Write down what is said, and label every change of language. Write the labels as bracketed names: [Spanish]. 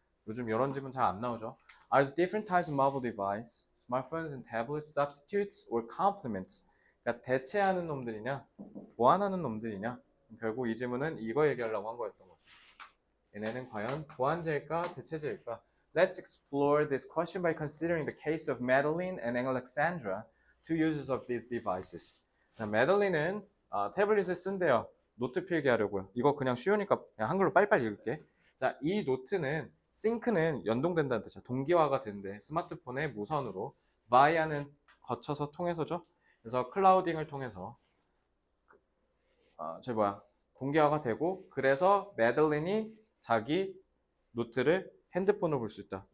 [Korean] 요즘 이런 질문 잘 안 나오죠. [English] Are different types of mobile devices, smartphones and tablets substitutes or complements? [Korean] 그러니까 대체하는 놈들이냐? 보완하는 놈들이냐? 결국 이 질문은 이거 얘기하려고 한 거였던 거죠. 얘네는 과연 보완제일까? 대체제일까? [English] Let's explore this question by considering the case of Madeline and Alexandra, two users of these devices. [Korean] 자, Madeline은 태블릿을 쓴대요. 노트 필기하려고요. 이거 그냥 쉬우니까 그냥 한글로 빨리빨리 읽을게. 자, 이 노트는 싱크는 연동된다는 뜻이야. 동기화가 된대. 스마트폰의 무선으로 바이아는 거쳐서 통해서죠. 그래서 클라우딩을 통해서 동기화가 되고 그래서 매들린이 자기 노트를 핸드폰으로 볼 수 있다.